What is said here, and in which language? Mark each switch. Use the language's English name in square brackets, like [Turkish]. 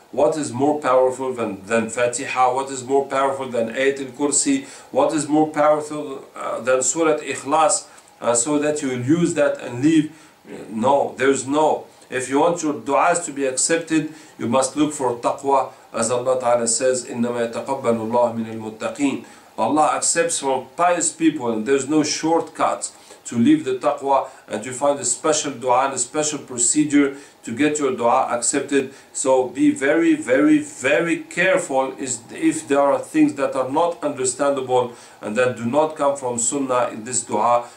[English] What is more powerful than Fatiha? What is more powerful than Ayat al-Kursi? What is more powerful than Surat Ikhlas? So that you will use that and leave? No, there is no. If you want your du'as to be accepted, you must look for taqwa. As Allah Ta'ala says, [Arabic] إِنَّمَا يَتَقَبَّلُ اللَّهُ مِنَ الْمُتَّقِينَ. [English] Allah accepts from pious people, and there is no shortcuts to leave the taqwa and to find a special dua and a special procedure to get your dua accepted. So be very, very, very careful if there are things that are not understandable and that do not come from sunnah in this dua.